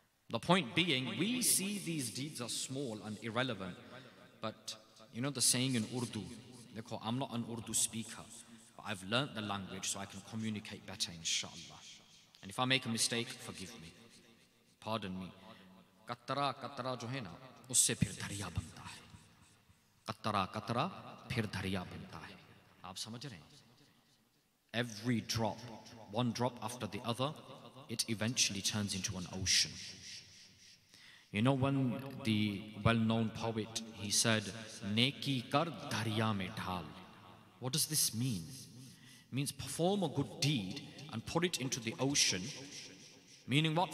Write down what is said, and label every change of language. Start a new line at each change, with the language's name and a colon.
English: The point being, we see these deeds as small and irrelevant. But you know the saying in Urdu, I'm not an Urdu speaker. I've learned the language so I can communicate better, inshallah. And if I make a mistake, forgive me. Pardon me.
Urdu: قطرہ قطرہ جو ہے نا، اس سے پھر دریا بنتا ہے۔ قطرہ قطرہ پھر دریا بنتا ہے۔ آپ سمجھ رہے ہیں؟
English: Every drop, one drop after the other, it eventually turns into an ocean. You know when the well-known poet, he said,
Urdu: neki kar darya mein dhal.
English: What does this mean? Means perform a good deed and put it into the ocean. Meaning what?